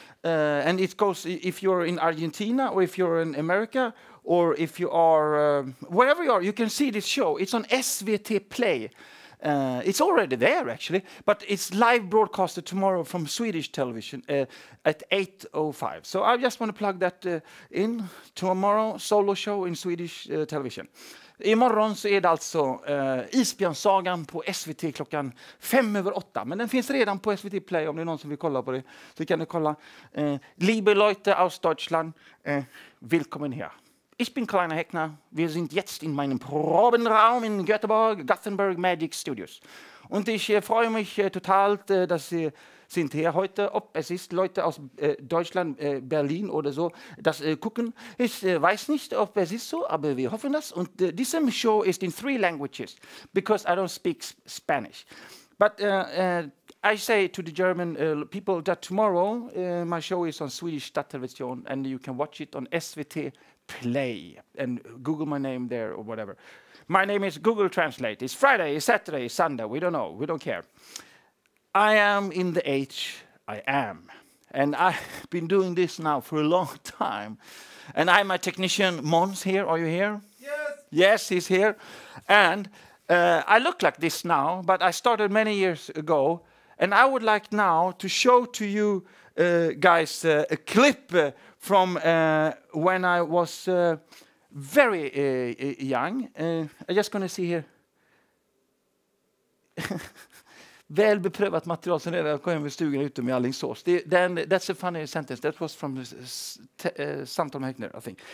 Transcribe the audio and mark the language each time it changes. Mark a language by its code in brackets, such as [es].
[en] And it goes, if you're in Argentina, or if you're in America, or if you are, wherever you are, you can see this show. It's on SVT Play. It's already there, actually. But it's live broadcasted tomorrow from Swedish television at 8:05. So I just want to plug that in. Tomorrow, solo show in Swedish television. [sv] Imorgon så är det alltså Isbjörnssagan på SVT klockan 7:05. Men den finns redan på SVT Play om det är någon som vill kolla på det. Så kan ni kolla. [de] Liebe Leute aus Deutschland, willkommen hier. Ich bin Carl-Einar Häckner. Wir sind jetzt in meinem Probenraum in Göteborg, Gothenburg Magic Studios. Und ich freue mich total, dass Sie sind hier heute. Ob es ist Leute aus Deutschland, Berlin oder so, das gucken. Ich weiß nicht, ob es ist so, aber wir hoffen das. Und diese Show ist in [en] 3 languages, because I don't speak Spanish. But I say to the German people that tomorrow my show is on Swedish Stadtelevision and you can watch it on SVT Play and Google my name there or whatever. My name is Google Translate. It's Friday, it's Saturday, it's Sunday. We don't know. We don't care. I am in the age I am. And I've been doing this now for a long time. And I'm a technician, Mons, here. Are you here? Yes. Yes, he's here. And I look like this now, but I started many years ago. And I would like now to show to you guys a clip from when I was very young. I'm just going to see here. [sv] Väl beprövat material sen när jag kom hem i stugan ute med Allingsås. [en] That's a funny sentence. That was from Samtal med Häckner, I think.